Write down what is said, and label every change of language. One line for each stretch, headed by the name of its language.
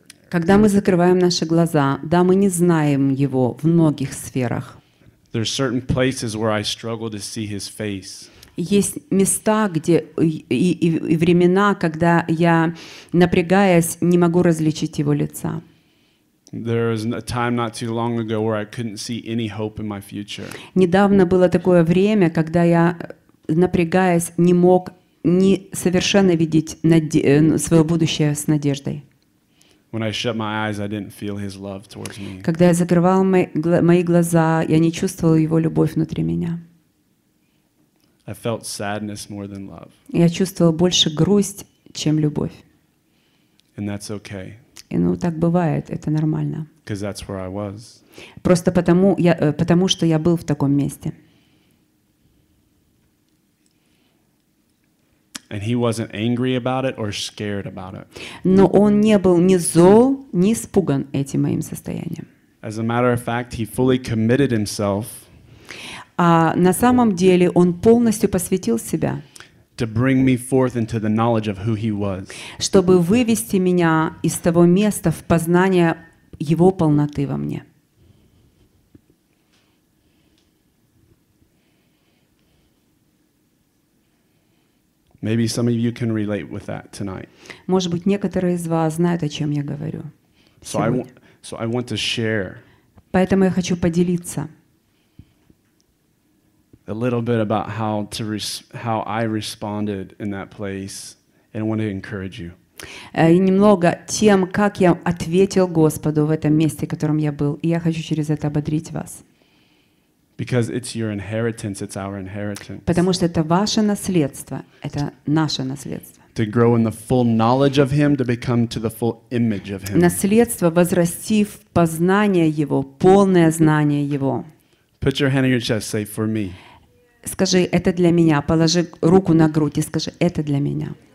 Russian: Когда мы закрываем наши глаза, да, мы не знаем его в многих сферах.
English: There are certain places where I struggle to see his face.
Russian: Есть места, где и времена, когда я напрягаясь, не могу различить его лица.
English: There was a time not too long ago where I couldn't see any hope in my future.
Russian: Недавно было такое время, когда я напрягаясь, не мог ни совершенно видеть свое будущее с надеждой.
English: When I shut my eyes, I didn't feel his love towards me.
Russian: Когда я закрывал мои глаза, я не чувствовал его любовь внутри меня.
English: I felt sadness more than love.
Russian: Я чувствовал больше грусть, чем любовь.
English: And that's okay.
Russian: И ну так бывает, это нормально.
English: Because that's where I was.
Russian: Просто потому что я был в таком месте.
English: And he wasn't angry about it or scared about it.
Russian: Но он не был ни зол, ни испуган этим моим состоянием.
English: As a matter of fact, he fully committed himself.
Russian: А на самом деле он полностью посвятил себя.
English: To bring me forth into the knowledge of who he was.
Russian: Чтобы вывести меня из того места в познание его полноты во мне.
English: Maybe some of you can relate with that tonight.
Russian: Может быть, некоторые из вас знают, о чем я говорю.
English: So I want to share.
Russian: Поэтому я хочу поделиться.
English: A little bit about how I responded in that place, and I want to encourage you.
Russian: И немного тем, как я ответил Господу в этом месте, в котором я был, и я хочу через это ободрить вас.
English: Because it's your inheritance, it's our inheritance.
Russian: Потому что это ваше наследство, это наше наследство.
English: To grow in the full knowledge of him, to become to the full image of him.
Russian: Наследство, возрасти в познание его, полное знание его.
English: Put your hand on your chest, say for me.
Russian: Скажи, это для меня. Положи руку на грудь и скажи, это для меня.